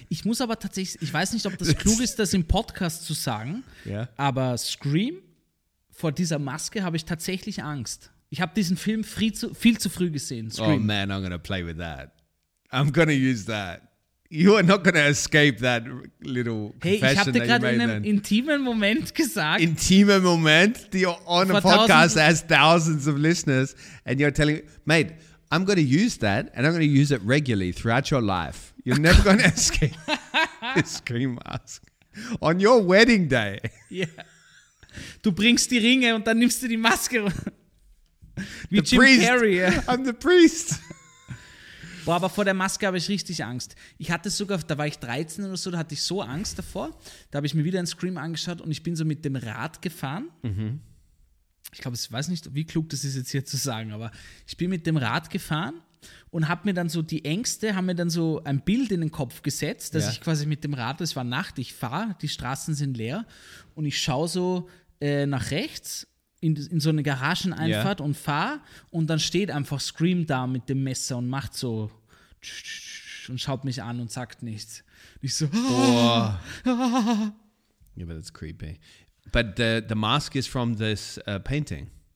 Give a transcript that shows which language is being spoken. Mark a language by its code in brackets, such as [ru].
[de] Ich muss aber tatsächlich, ich weiß nicht, ob das klug ist, das im Podcast zu sagen. Ja. Yeah. Aber Scream? Vor dieser Maske habe ich tatsächlich Angst. Ich habe diesen Film viel zu früh gesehen. Scream. [en] Oh man, I'm gonna play with that. I'm gonna use that. You are not gonna escape that little confession. [de] Hey, ich habe dir gerade in einem intimen Moment gesagt. Intimen Moment? [en] You're on a podcast that has thousands of listeners and you're telling me, mate, I'm gonna use that and I'm gonna use it regularly throughout your life. You're never gonna escape the Scream mask. On your wedding day. Yeah. [de] Du bringst die Ringe und dann nimmst du die Maske. [en] Wie the Jim priest. Carrey. Yeah. I'm the priest. [de] Boah, aber vor der Maske habe ich richtig Angst. Ich hatte sogar, da war ich 13 oder so, da hatte ich so Angst davor. Da habe ich mir wieder einen Scream angeschaut und ich bin so mit dem Rad gefahren. Mhm. Ich glaube, ich weiß nicht, wie klug das ist jetzt hier zu sagen, aber ich bin mit dem Rad gefahren und habe mir dann so die Ängste, habe mir dann so ein Bild in den Kopf gesetzt, dass ich quasi mit dem Rad, es war Nacht, ich fahre, die Straßen sind leer und ich schaue so nach rechts in so eine Garageneinfahrt und fahre und dann steht einfach Scream da mit dem Messer und macht so und schaut mich an und sagt nichts. Und ich so. [en] Yeah, but that's creepy. But the mask is from this painting.